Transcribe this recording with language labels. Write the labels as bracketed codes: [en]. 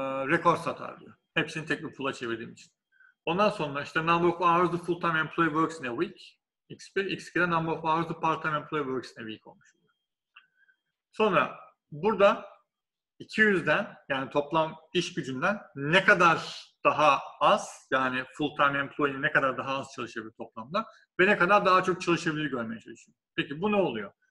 [tr] Rekor satar diyor. Hepsini tek bir pool'a çevirdiğim için. Ondan sonra işte [en] number of hours the full-time employee works in a week. X1, X2'de number of hours the part-time employee works in a week olmuş. [tr] Sonra burada 200'den yani toplam iş gücünden ne kadar daha az yani full time employee ne kadar daha az çalışabilir toplamda ve ne kadar daha çok çalışabilir görmeye çalışıyorum. Peki bu ne oluyor?